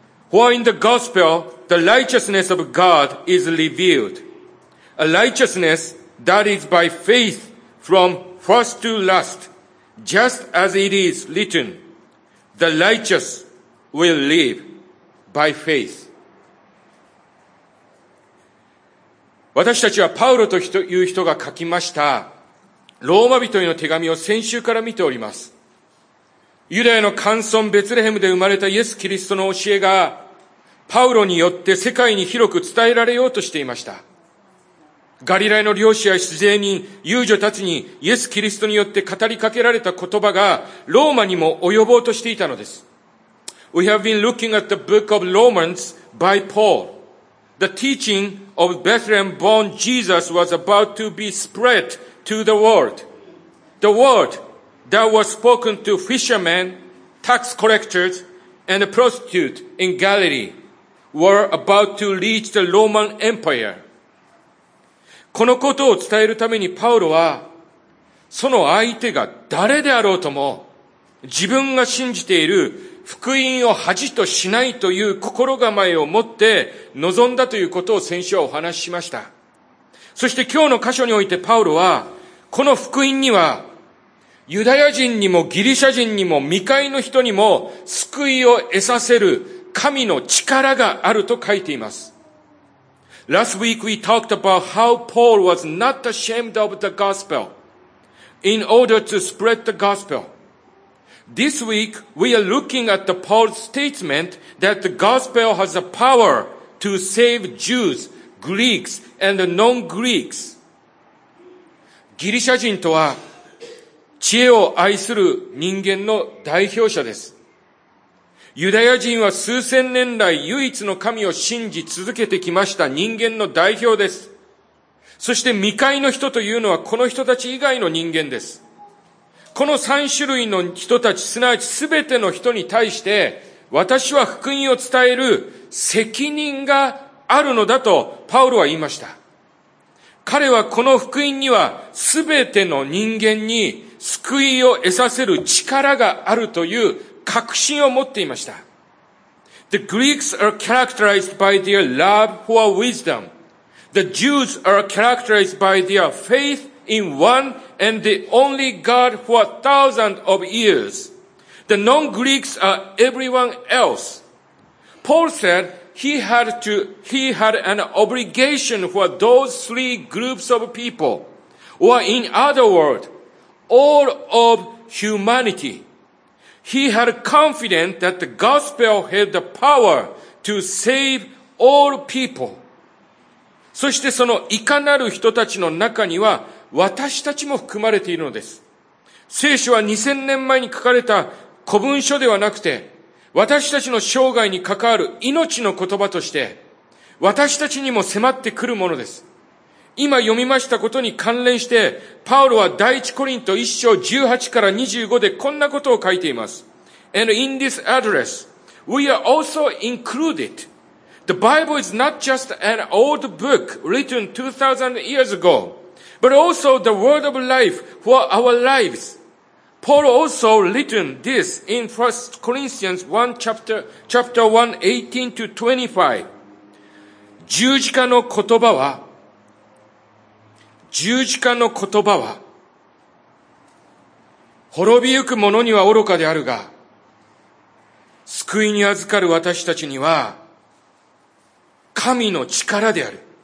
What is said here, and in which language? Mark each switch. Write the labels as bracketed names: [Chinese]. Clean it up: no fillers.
[English] For in the gospel, the righteousness of God is revealed, a righteousness that is by faith from first to last, just as it is written, the righteous will live by faith. [Japanese] 私たちはパウロという人が書きましたローマ人への手紙を先週から見ております。ユダヤの寒村ベツレヘムで生まれたイエス・キリストの教えがパウロによって世界に広く伝えられようとしていました。ガリラヤの漁師や主税人遊女たちにイエス・キリストによって語りかけられた言葉がローマにも及ぼうとしていたのです。 [English] We have been looking at the book of Romans by PaulThe teaching of Bethlehem-born Jesus was about to be spread to the world. The word that was spoken to fishermen, tax collectors, and prostitutes in Galilee were about to reach the Roman Empire. [Japanese] このことを伝えるためにパウロは、その相手が誰であろうとも、自分が信じている福音を恥としないという心構えを持って臨んだということを先週はお話ししました。そして今日の箇所においてパウロはこの福音にはユダヤ人にもギリシャ人にも未開の人にも救いを得させる神の力があると書いています。 [English] Last week we talked about how Paul was not ashamed of the gospel in order to spread the gospelThis week, we are looking at the Paul's statement that the gospel has the power to save Jews, Greeks, and non-Greeks. [Japanese] ギリシャ人とは、知恵を愛する人間の代表者です。ユダヤ人は数千年来唯一の神を信じ続けてきました人間の代表です。そして未開の人というのはこの人たち以外の人間です。この三種類の人たち、すなわちすべての人に対して、私は福音を伝える責任があるのだとパウロは言いました。彼はこの福音にはすべての人間に救いを得させる力があるという確信を持っていました。 [English] The Greeks are characterized by their love for wisdom. The Jews are characterized by their faith in one. And the only God for thousands of years. The non-Greeks are everyone else. Paul said he had an obligation for those three groups of people. Or in other words, all of humanity. He had confidence that the gospel had the power to save all people. [Japanese] そしてそのいかなる人たちの中には私たちも含まれているのです。聖書は2000年前に書かれた古文書ではなくて私たちの生涯に関わる命の言葉として私たちにも迫ってくるものです。今読みましたことに関連してパウロは第一コリント1章18から25でこんなことを書いています。 [English] And in this address, we are also included. The Bible is not just an old book written 2,000 years ago, but also the word of life for our lives. Paul also written this in 1 Corinthians 1 chapter 1, 18 to 25. [Japanese] 十字架の言葉は、十字架の言葉は、滅びゆく者には愚かであるが、救いに預かる私たちには、神の力である。